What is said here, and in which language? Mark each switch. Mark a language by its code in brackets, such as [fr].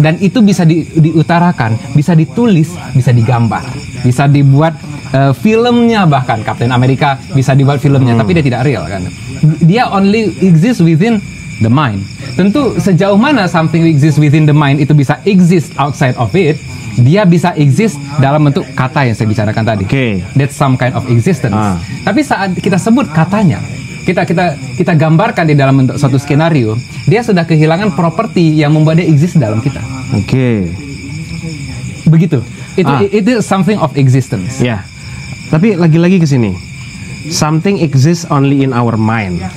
[id] Dan itu bisa diutarakan, bisa ditulis, bisa digambar, bisa dibuat filmnya, bahkan Captain America bisa dibuat filmnya, tapi dia tidak real kan. Dia [en] only exists within the mind. [id] Tentu sejauh mana [en] something exists within the mind [id] itu bisa [en] exist outside of it, [id] dia bisa exist dalam bentuk kata yang saya bicarakan tadi. [en] Okay. That's some kind of existence. [id] Tapi saat kita sebut katanya, kita gambarkan di dalam bentuk suatu skenario, dia sudah kehilangan properti yang membuat dia exist dalam kita. Oke. [en] Okay. [id] Begitu. Itu [en] something of existence. [id] Ya. [en] Yeah. [id] Tapi lagi-lagi ke sini. [en] Something exists only in our mind.